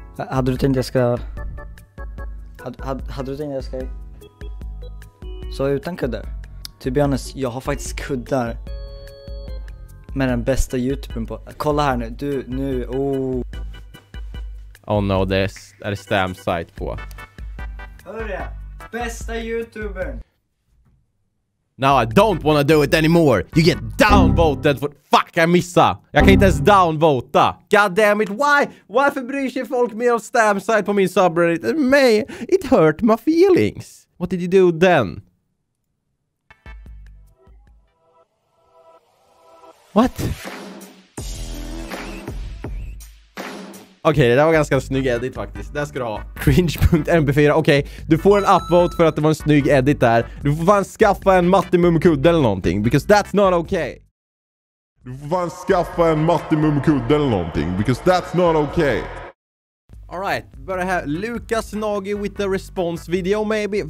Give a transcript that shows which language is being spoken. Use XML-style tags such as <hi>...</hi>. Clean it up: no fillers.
<sv>Hade du tänkt jag ska... Hade du tänkt jag ska... Så utan kuddar?</sv> <en>To be honest,</en> <sv>jag har faktiskt kuddar. Med den bästa YouTube-en på... Kolla här nu, du, nu, oh...</sv> <en>Oh no,</en> <sv>det är stamp site på. Hör det? Bästa YouTubern!</sv> <en>Now I don't wanna do it anymore! You get downvoted for... Fuck,</en> <sv>jag missa! Jag kan inte ens downvota!</sv> <en>God damn it, why?</en> <sv>Varför bryr sig folk mer om stamp site på min subreddit än mig?</sv> <en>It hurt my feelings! What did you do then? What?</en> <sv>Okej, okay, det där var ganska snygg edit faktiskt. Där ska du ha cringe.mp4. Okej, okay, du får en upvote för att det var en snygg edit där. Du får fan skaffa en mattimumkudde eller någonting.</sv> <en>Because that's not okay.</en> <sv>Du får fan skaffa en mattimumkudde eller någonting.</sv> <en>Because that's not okay. All right,</en> <sv>börja här.</sv> <en>Lukas Nagy with a response video maybe.</en>